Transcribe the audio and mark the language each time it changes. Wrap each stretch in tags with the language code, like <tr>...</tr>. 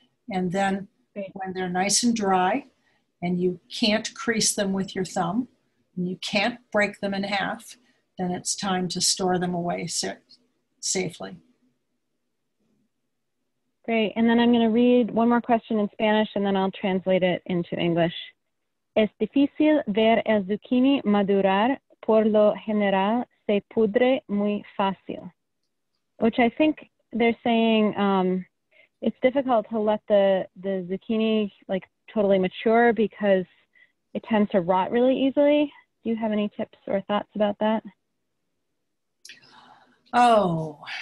<en>And then when they're nice and dry and you can't crease them with your thumb, and you can't break them in half, then it's time to store them away safely. Great. And then I'm going to read one more question in Spanish, and then I'll translate it into English.</en> <es>Es difícil ver el zucchini madurar. Por lo general, se pudre muy fácil.</es> <en>Which I think they're saying it's difficult to let the zucchini like totally mature because it tends to rot really easily. Do you have any tips or thoughts about that? Oh.</en>